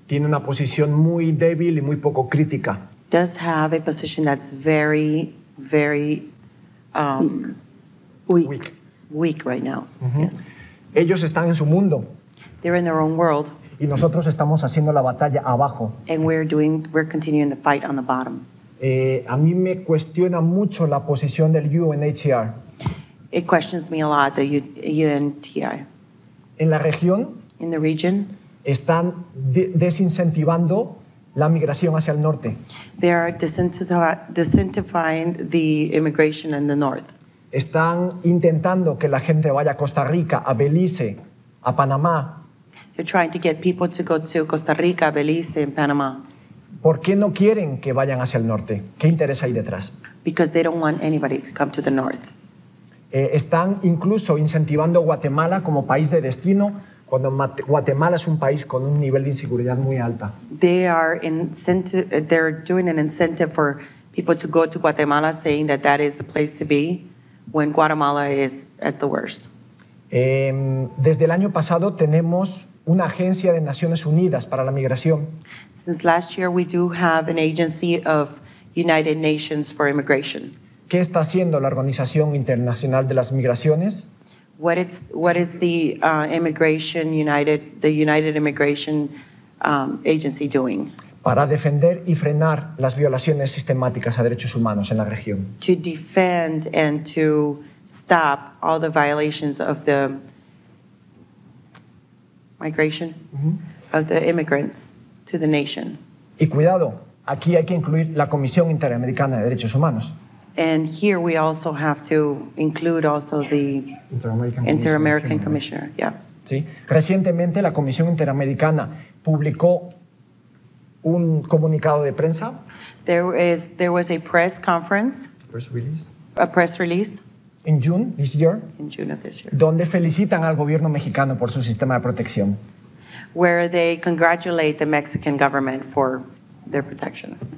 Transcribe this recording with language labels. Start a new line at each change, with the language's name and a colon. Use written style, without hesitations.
Spanish: tiene una posición muy débil y muy poco crítica.
English: Does have a position that's very weak right now. Mm-hmm. Yes.
Spanish: Ellos están en su mundo.
English: They're in their own world.
Spanish: Y nosotros estamos haciendo la batalla abajo.
English: And we're continuing the fight on the bottom.
Spanish: A mí me cuestiona mucho la posición del UNHCR.
English: It questions me a lot, the UNHCR.
Spanish: En la región,
English: in the region,
Spanish: están desincentivando la migración hacia el norte.
English: They are disincentivizing the immigration in the north.
Spanish: Están intentando que la gente vaya a Costa Rica, a Belice, a Panamá.
English: They're trying to get people to go to Costa Rica, Belize, and Panama.
Spanish: ¿Por qué no quieren que vayan hacia el norte? ¿Qué interés hay detrás?
English: Because they don't want anybody to come to the north.
Spanish: Están incluso incentivando Guatemala como país de destino. Cuando Guatemala es un país con un nivel de inseguridad muy alta.
English: They're doing an incentive for people to go to Guatemala, saying that that is the place to be when Guatemala is at the worst.
Spanish: Desde el año pasado tenemos una agencia de Naciones Unidas para la migración.
English: Since last year we do have an agency of United Nations for immigration.
Spanish: ¿Qué está haciendo la Organización Internacional de las Migraciones?
English: What is the United Immigration Agency doing?
Spanish: Para defender y frenar las violaciones sistemáticas a derechos humanos en la región.
English: To defend and to stop all the violations of the migration, mm-hmm. of the immigrants to the nation.
Spanish: Y cuidado, aquí hay que incluir la Comisión Interamericana de Derechos Humanos.
English: And here we also have to include also the Inter-American Commissioner. Yeah.
Spanish: Sí. Recientemente la Comisión Interamericana publicó un comunicado de prensa.
English: There was a press conference. Press release. A press release. In June this year. In June of this year.
Spanish: Donde felicitan al gobierno mexicano por su sistema de protección.
English: Where they congratulate the Mexican government for their protection.